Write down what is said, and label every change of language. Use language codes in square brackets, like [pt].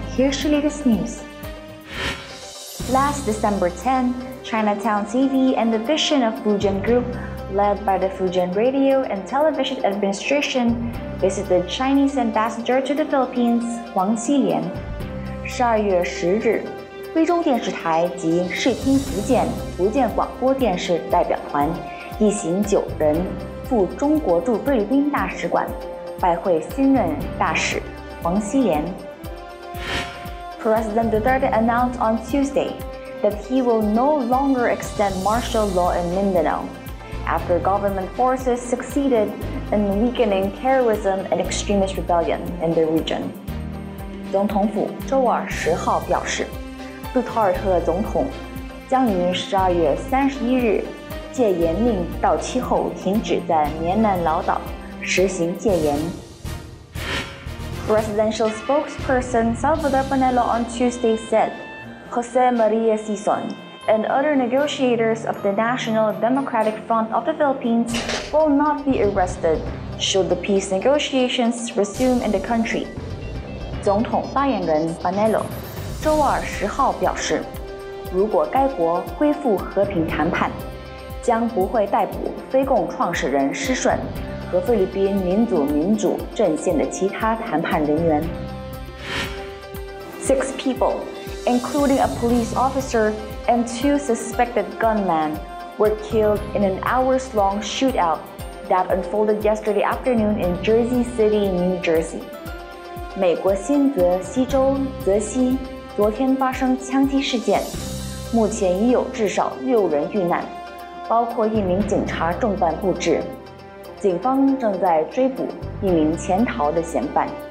[en] Here's the latest news. Last December 10, Chinatown TV and the Vision of Fujian Group, led by the Fujian Radio and Television Administration, visited the Chinese Ambassador to the Philippines, Huang Xilian. [zh] 12月10日。菲中电视台及视听福建广播电视代表团一行九人赴中国驻菲律宾大使馆拜会新任大使黄希莲。 [en] President Duterte announced on Tuesday that he will no longer extend martial law in Mindanao after government forces succeeded in weakening terrorism and extremist rebellion in the region. [zh] 总统府周二十号表示，杜特尔特总统将于12月31日戒严令到期后停止在棉兰老岛实行戒严。 [en] Presidential spokesperson Salvador Bonello on Tuesday said, Jose Maria Sison and other negotiators of the National Democratic Front of the Philippines will not be arrested should the peace negotiations resume in the country. [zh] 总统发言人 Bonello周二十号表示，如果该国恢复和平谈判，将不会逮捕非共创始人施顺和菲律宾民主阵线的其他谈判人员。 [en] Six people, including a police officer and two suspected gunmen, were killed in an hours-long shootout that unfolded yesterday afternoon in Jersey City, New Jersey. [zh] 美国新泽西州泽西昨天发生枪击事件，目前已有至少六人遇难，包括一名警察重弹不治。警方正在追捕一名潜逃的嫌犯。